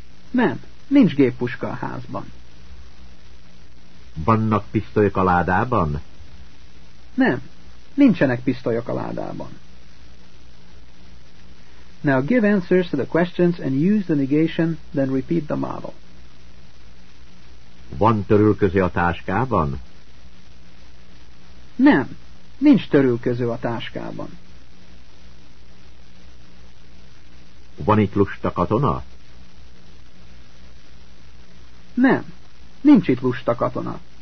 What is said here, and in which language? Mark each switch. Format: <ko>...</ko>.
<hu>Nem, nincs géppuska a házban. Vannak pisztolyok a ládában? Nem, nincsenek pisztolyok a ládában.</hu> <en>Now give answers to the questions and use the negation, then repeat the model.</en> <hu>Van törülköző a táskában? Nem, nincs törülköző a táskában. Van itt lusta katona? Nem, nincs itt lusta katona.</hu>